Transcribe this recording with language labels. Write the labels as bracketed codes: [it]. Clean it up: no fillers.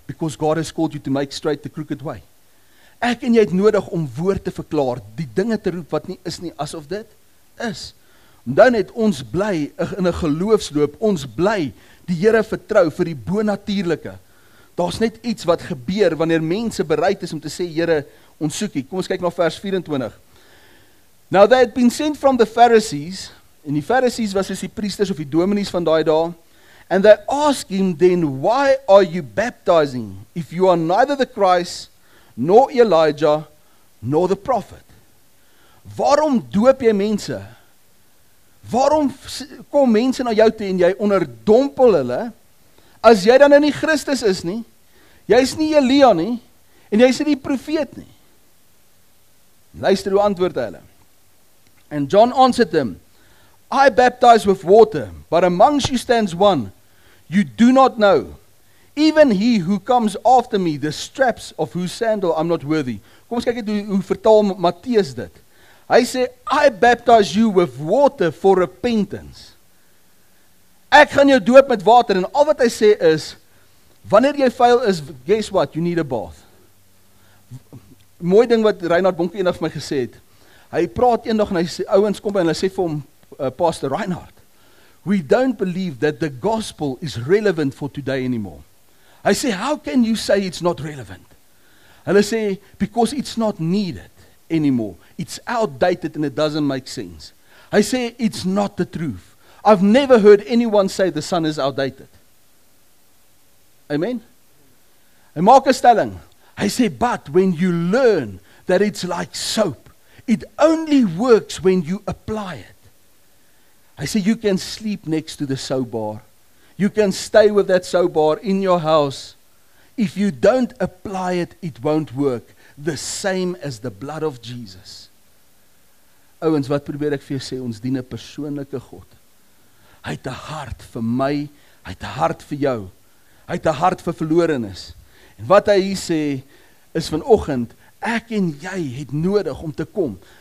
[en] Because God has called you to make straight the crooked way. [af] Ek en jy het nodig om woord te verklaar, die dinge te roep wat nie is nie, asof dit is. Dan het ons bly in 'n geloofsloop, ons bly die Here vertrou vir die bonatuurlike. Daar's net iets wat gebeur wanneer mense bereid is om te sê, Here, ons soek U. Kom ons kyk na vers 24. [en] Now they had been sent from the Pharisees, and the Pharisees was as [af] die priesters of die dominees van daai dae, [en] and they asked him then, why are you baptizing if you are neither the Christ, nor Elijah, nor the prophet? [af] Waarom doop jy mense? Waarom kom mense na jou toe en jy onderdompel hulle, as jy dan nou nie Christus is nie, jy is nie Elia nie, en jy is nie die profeet nie? Luister hoe antwoord hulle. [en] And John answered them, I baptize with water, but amongst you stands one you do not know, even he who comes after me, the straps of whose sandal I'm not worthy. [af] Kom ons kyk het hoe vertaal Matteus dit. Hy sê, [en] I baptize you with water for repentance. [af] Ek gaan jou doop met water, en al wat hy sê is, wanneer jy fail is, [en] guess what, you need a bath. [af] Mooi ding wat Reinhard Bonke eendag vir my gesê het, hy praat eendag en hy sê, ouens kom by en hy sê vir hom, Pastor Reinhard, [en] we don't believe that the gospel is relevant for today anymore. [af] Hy sê, [en] how can you say it's not relevant? [af] Hulle sê, [en] because it's not needed anymore. It's outdated and it doesn't make sense. [af] Hy sê, [en] it's not the truth. I've never heard anyone say the sun is outdated. Amen? [af] Hy maak 'n stelling. Hy sê, [en] but when you learn that it's like soap, it only works when you apply it. [af] Hy sê, [en] you can sleep next to the soap bar. You can stay with that soap bar in your house. If you don't apply it, it won't work. The same as the blood of Jesus. [af] Ouens, wat probeer ek vir jou sê? Ons dien 'n persoonlike God. Hy het 'n hart vir my, hy het 'n hart vir jou. Hy het 'n hart vir verlorenes. En wat hy hier sê, is vanoggend, ek en jy het nodig om te kom.